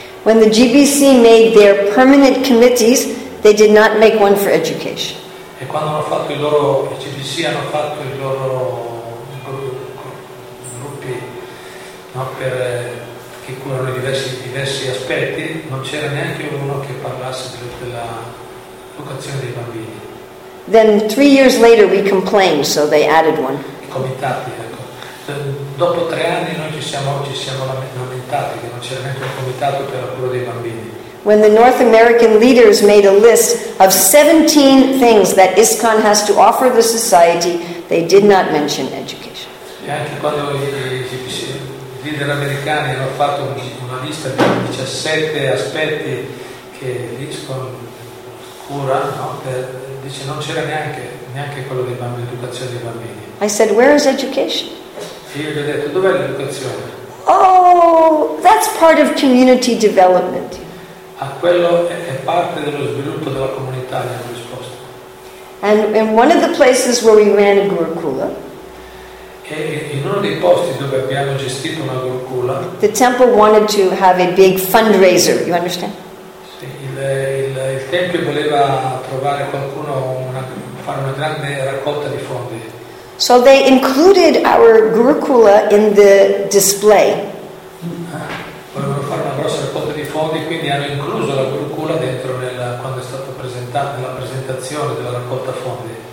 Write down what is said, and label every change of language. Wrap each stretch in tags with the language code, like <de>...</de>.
<en>When the GBC made their permanent committees, they did not make one for education.</en> <it>E quando hanno fatto il GBC hanno fatto i loro gruppi, no, per che curano diversi aspetti, non c'era neanche uno che parlasse della educazione dei bambini.</it> <en>Then 3 years later we complained, so they added one.</en> <it>I comitati, ecco. Dopo 3 anni noi ci siamo lamentati che non c'era neanche un comitato per la cura dei bambini.</it> <en>When the North American leaders made a list of 17 things that ISKCON has to offer the society, they did not mention education.</en> <it>E anche quando i leader americani hanno fatto una lista di 17 aspetti che l'ISKCON cura, no? Dice non c'era neanche quello dei bambini, l'educazione dei bambini.</it> <en>I said, where is education?</en> <it>Io gli ho detto, dov'è l'educazione?</it> <en>Oh, that's part of community development.</en> <it>A quello è parte dello sviluppo della comunità, mi hanno risposto.</it> <en>And in one of the places where we ran a Gurukula,</en> <it>e in uno dei posti dove abbiamo gestito una Gurukula,</it> <en>the temple wanted to have a big fundraiser, you understand?</en> <it>Sì, il tempio voleva trovare qualcuno, fare una grande raccolta di fondi.</it> <en>So they included our Gurukula in the display.</en> <it>Volevano fare una grossa raccolta di fondi, quindi hanno incluso la Gurukula dentro quando è stata presentata nella presentazione della raccolta fondi.</it>